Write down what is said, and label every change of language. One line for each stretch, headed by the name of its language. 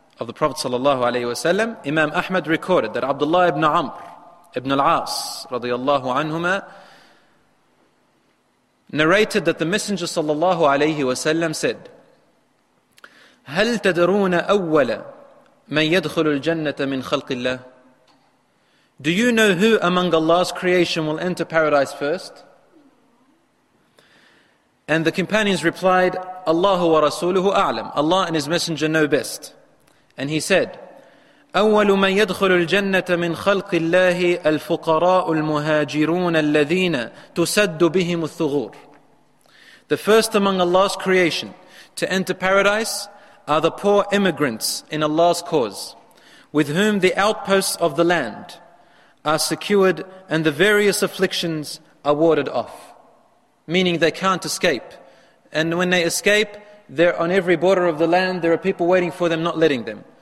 English: of the Prophet sallallahu alayhi wa sallam, Imam Ahmad recorded that Abdullah ibn Amr ibn al-As radiyallahu anhuma narrated that the Messenger sallallahu alayhi wa sallam said,
Arabic: هَلْ تَدَرُونَ أَوَّلَ مَنْ يَدْخُلُ الْجَنَّةَ مِنْ خَلْقِ اللَّهِ.
English: Do you know who among Allah's creation will enter paradise first? And the companions replied,
Arabic: Allah wa Rasuluhu a'lam.
English: Allah and His Messenger know best.
Arabic: And he said, أَوَّلُ مَنْ يَدْخُلُ الْجَنَّةَ مِنْ خَلْقِ اللَّهِ الْفُقَرَاءُ الْمُهَاجِرُونَ الَّذِينَ تُسَدُّ بِهِمُ الثُّغُورِ.
English: The first among Allah's creation to enter paradise are the poor immigrants in Allah's cause, with whom the outposts of the land are secured and the various afflictions are warded off. Meaning they can't escape. And when they escape, they're on every border of the land, there are people waiting for them, not letting them.